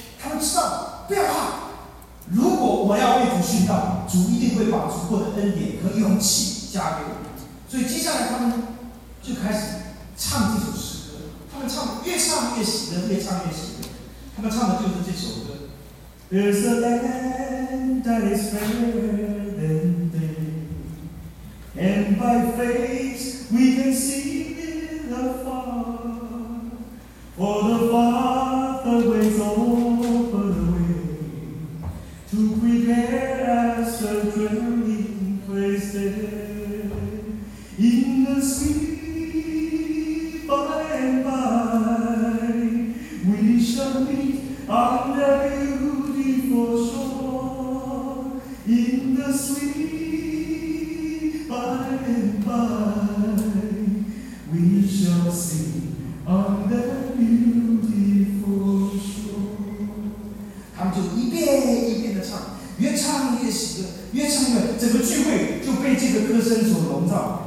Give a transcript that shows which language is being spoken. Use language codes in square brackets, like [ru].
[zh] 他们知道不要怕，如果我要为主殉道，主一定会把足够的恩典和勇气加给我。所以接下来他们就开始唱这首诗歌，他们唱越唱越喜乐，越唱越喜乐。他们唱的就是这首歌。 [en] There's a land that is fairer than day, and by faith we can see it afar. For the Father waits over the way to prepare us a dwelling place there. In the sweet by and by, we shall meet on the hill. For sure, in the sweet by and by, we shall sing on the beautiful shore. [zh] 他们就一遍一遍的唱，越唱越喜乐，越唱越整个聚会就被这个歌声所笼罩。